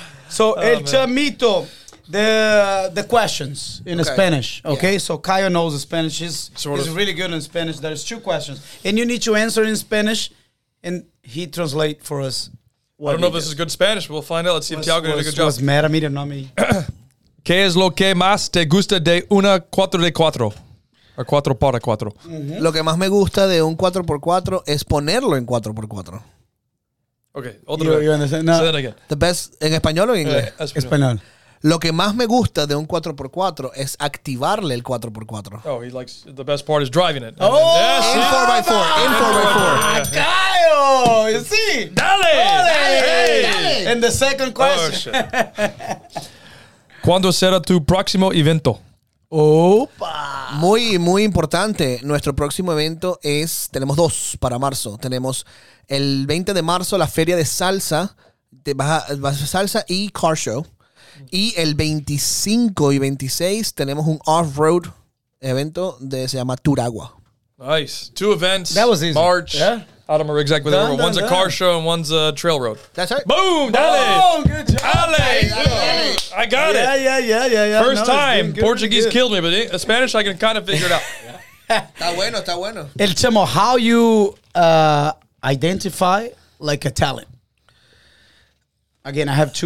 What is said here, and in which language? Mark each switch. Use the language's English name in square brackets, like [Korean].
[English] So El Chamito. The questions in Spanish, okay? Yeah. So Caio knows Spanish. He's really good in Spanish. There's two questions. And you need to answer in Spanish, and he translate for us. What I don't know if this is good Spanish, but we'll find out. Let's see if Tiago did a good job. Was mad at me, not me. [Spanish] ¿Qué es lo que más te gusta de una 4x4? [English] A 4x4. Mm-hmm. [Spanish] Lo que más me gusta de un 4x4 es ponerlo en 4x4. [English] Okay. You understand? No. Say that again. The best [Spanish] en español o en inglés? Español. Lo que más me gusta de un 4x4 es activarle el 4x4. [English] Oh, he likes, the best part is driving it. Oh, yes. In 4x4, in 4x4. [Spanish] ¡Cayo! ¡Sí! ¡Dale! ¡Dale! [English] And the second question. Oh, shit. [Spanish] ¿Cuándo será tu próximo evento? ¡Opa! Muy, muy importante. Nuestro próximo evento es, tenemos dos para marzo. Tenemos el 20 de marzo, la Feria de Salsa, de Baja Salsa y Car Show. Y el 25 y 26 tenemos un off-road evento que se llama Turagua. [English] Nice. Two events. That was easy. March. Yeah. I don't remember exactly where they were. One's a car show and one's a trail road. That's right. Boom. [Spanish] Dale. [English] Boom. Good job. [Spanish] Dale. [English] I got it. Yeah. First time. Portuguese killed me, but in Spanish I can kind of figure it out. [Spanish] Está bueno, está bueno. [English] El Chamo, how you identify like a talent? Again, I have two.